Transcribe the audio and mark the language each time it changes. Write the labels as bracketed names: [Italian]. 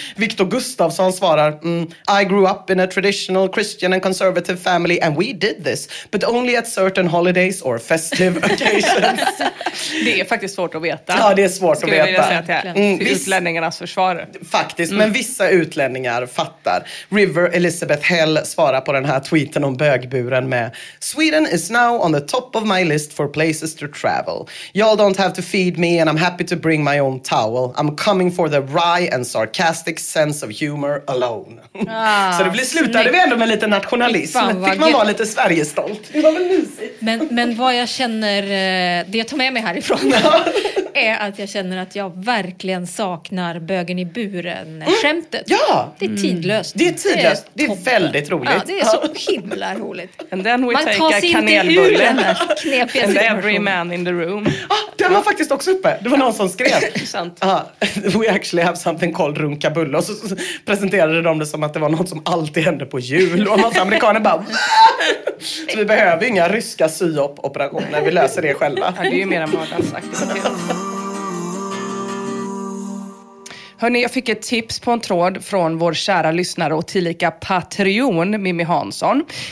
[English] Victor Gustafsson [Swedish] svarar, [English] I grew up in a traditional Christian and conservative family and we did this, but only at certain holidays or festive occasions. [Swedish] Det är faktiskt svårt att veta. Ja, det är svårt att veta. Skulle jag vilja säga till utlänningarnas försvar. Faktiskt, men vissa utlänningar fattar. [English] River Elizabeth Hell [Swedish] svarar på den här tweeten om bögburen med: [English] Sweden is now on the top of my list for places to travel. Y'all don't have to feed me and I'm happy to bring my own towel. I'm coming for the wry and sarcastic sense of humor alone. [Swedish] Ah, så det blir slutade vi ändå med lite nationalism. Fick man vara lite Sverigestolt. Det var väl mysigt. Men vad jag känner, det jag tar med mig härifrån, är att jag känner att jag verkligen saknar bögen i buren. Skämtet. Ja! Det är tidlöst. Det är tidlöst. Det är väldigt roligt. Ja, det är så himla roligt. [English] And then we man take a kanelbulle. And every man in the room. [Swedish] Ah, den var faktiskt också uppe. Det var någon som skrev. Sant. [English] We actually have something called runka bulle. [Swedish] Och så presenterade de det som att det var något som alltid hände på jul. Och massa amerikaner bara, så vi behöver inga ryska syop-operationer. Vi löser det själva. Ja, det är ju mer än vad han sagt. Hörrni, jag fick ett tips på en tråd från vår kära lyssnare och tillika Patreon, Mimmi Hansson.